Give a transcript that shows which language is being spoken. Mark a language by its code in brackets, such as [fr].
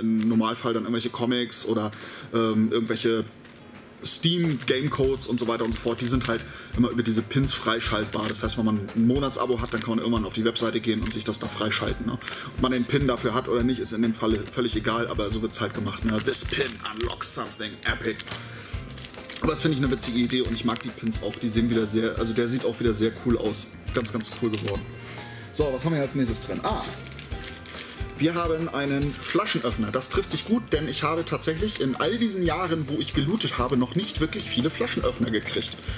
[de] Im Normalfall dann irgendwelche Comics oder irgendwelche Steam Game Codes und so weiter und so fort. Die sind halt immer über diese Pins freischaltbar. Das heißt, wenn man ein Monatsabo hat, dann kann man irgendwann auf die Webseite gehen und sich das da freischalten. Ne? Ob man den Pin dafür hat oder nicht, ist in dem Fall völlig egal, aber so wird es halt gemacht. Ne? [en] This Pin unlocks something epic. [de] Aber das finde ich eine witzige Idee und ich mag die Pins auch. Die sehen wieder sehr, also der sieht auch wieder sehr cool aus. Ganz, ganz cool geworden. So, was haben wir als nächstes drin? Ah, wir haben einen Flaschenöffner. Das trifft sich gut, denn ich habe tatsächlich in all diesen Jahren, wo ich gelootet habe, noch nicht wirklich viele Flaschenöffner gekriegt.